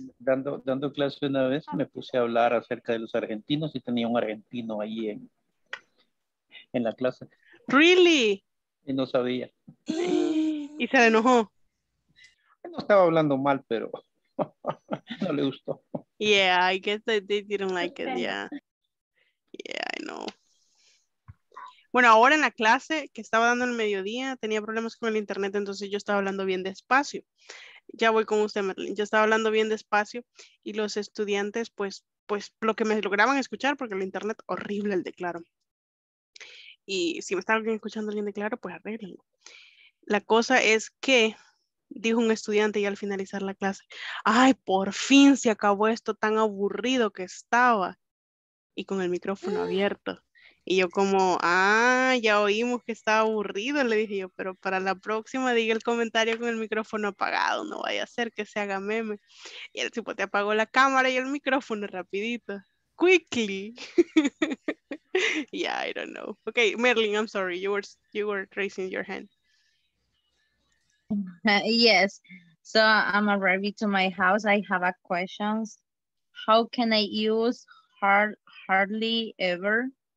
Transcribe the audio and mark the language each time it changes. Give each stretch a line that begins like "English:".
Spanish: dando clase una vez, me puse a hablar acerca de los argentinos y tenía un argentino ahí en la clase.
English: Really?
Spanish: Y no sabía. ¿Y se enojó? No estaba hablando mal, pero no le gustó.
English: Yeah, I guess they didn't like it, yeah. Yeah, I know.
Spanish: Bueno, ahora en la clase que estaba dando el mediodía, tenía problemas con el internet, entonces yo estaba hablando bien despacio. Ya voy con usted, Merlin. Yo estaba hablando bien despacio y los estudiantes, pues lo que me lograban escuchar, porque el internet horrible el de Claro. Y si me están escuchando alguien de Claro, pues arréglenlo. La cosa es que dijo un estudiante y al finalizar la clase, ay, por fin se acabó esto tan aburrido que estaba. Y con el micrófono abierto. Y yo como, ah, ya oímos que estaba aburrido, le dije yo, pero para la próxima diga el comentario con el micrófono apagado, no vaya a ser que se haga meme. Y el tipo te apagó la cámara y el micrófono rapidito.
English: Quickly. Yeah, I don't know. Okay, Merlin, I'm sorry, you were raising your hand. Yes, so I'm arriving to my house. I have a question. How can I use hardly ever?